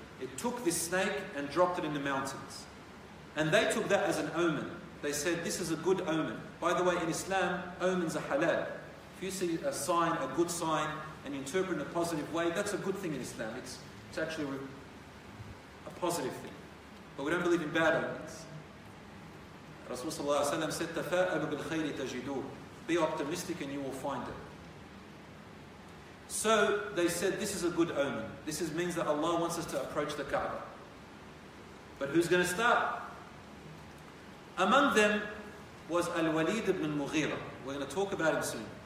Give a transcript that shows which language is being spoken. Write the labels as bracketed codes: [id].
[en] It took this snake and dropped it in the mountains. And they took that as an omen. They said, this is a good omen. By the way, in Islam, omens are halal. If you see a sign, a good sign, and you interpret it in a positive way, that's a good thing in Islam. It's actually a positive thing. But we don't believe in bad omens. Rasulullah said, [ar] تَفَاءَلُ بِالْخَيْرِ تَجِدُوهُ. [en] Be optimistic and you will find it. So they said, this is a good omen. This means that Allah wants us to approach the Kaaba. But who's going to start? Among them was Al-Walid ibn Mughira. We're going to talk about him soon.